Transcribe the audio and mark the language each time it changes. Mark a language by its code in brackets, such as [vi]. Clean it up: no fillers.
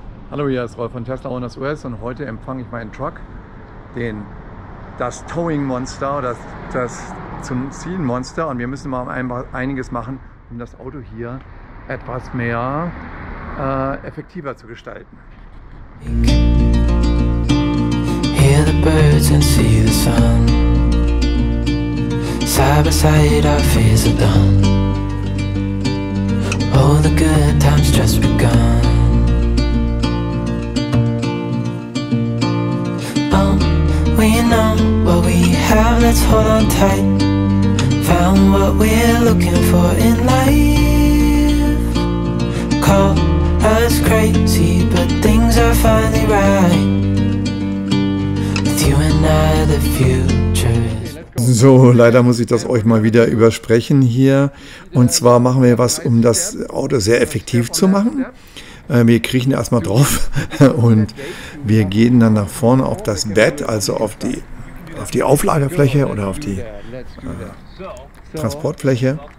[de] Hallo, hier ist Rolf von Tesla Owners US und heute empfange ich meinen Truck, das Towing Monster, das zum Ziehen Monster. Und wir müssen mal einiges machen, um das Auto hier etwas mehr effektiver zu gestalten. [en] Hear the birds and see the sun. Side by side our fears are done. All the good times just begun. We know what we have, let's hold on tight. Found what we're looking for in life. Call us crazy, but things are finally right. With you and I, the future. [de] So, leider muss ich das euch mal wieder übersprechen hier. Und zwar machen wir was, um das Auto sehr effektiv zu machen. Wir kriechen erstmal drauf und wir gehen dann nach vorne auf das Bett, also auf die Auflagefläche oder auf die Transportfläche.